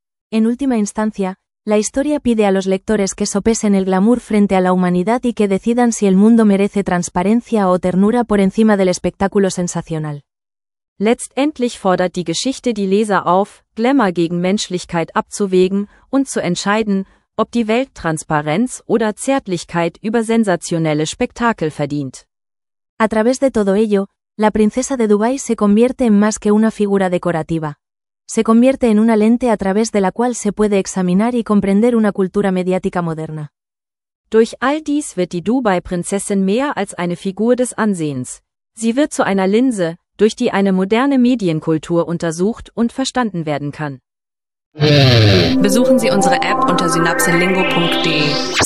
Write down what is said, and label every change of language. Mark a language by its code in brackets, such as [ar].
[es] En última instancia, la historia pide a los lectores que sopesen el glamour frente a la humanidad y que decidan si el mundo merece transparencia o ternura por encima del espectáculo sensacional. [de] Letztendlich fordert die Geschichte die Leser auf, Glamour gegen Menschlichkeit abzuwägen und zu entscheiden, ob die Welt Transparenz oder Zärtlichkeit über sensationelle Spektakel verdient. [es] A través de todo ello, la princesa de Dubái se convierte en más que una figura decorativa. Se convierte en una lente a través de la cual se puede examinar y comprender una cultura mediática moderna. [de] Durch all dies wird die Dubai-Prinzessin mehr als eine Figur des Ansehens. Sie wird zu einer Linse, durch die eine moderne Medienkultur untersucht und verstanden werden kann. Besuchen Sie unsere App unter synapsenlingo.de.